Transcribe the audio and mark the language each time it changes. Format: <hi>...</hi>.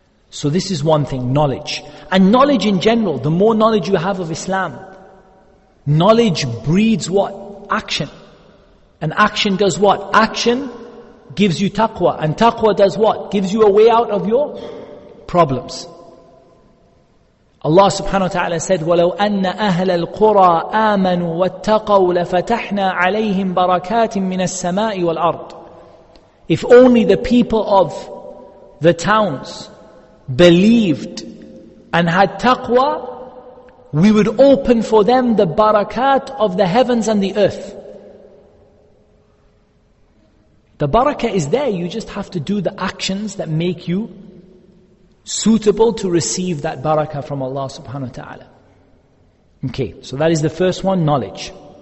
<en>So this is one thing, knowledge. And knowledge in general, the more knowledge you have of Islam, knowledge breeds what? Action. And action does what? Action gives you taqwa. And taqwa does what? Gives you a way out of your problems.</en> <ar>Allah subhanahu wa ta'ala said, وَلَوْ أَنَّ أَهْلَ الْقُرَىٰ آمَنُوا وَاتَّقَوْا لَفَتَحْنَا عَلَيْهِمْ بَرَكَاتٍ مِّنَ السَّمَاءِ وَالْأَرْضِ.</ar> <en>If only the people of the towns believed and had taqwa, we would open for them the barakat of the heavens and the earth. The barakah is there, you just have to do the actions that make you suitable to receive that barakah from Allah subhanahu wa ta'ala. Okay, so that is the first one, knowledge.</en>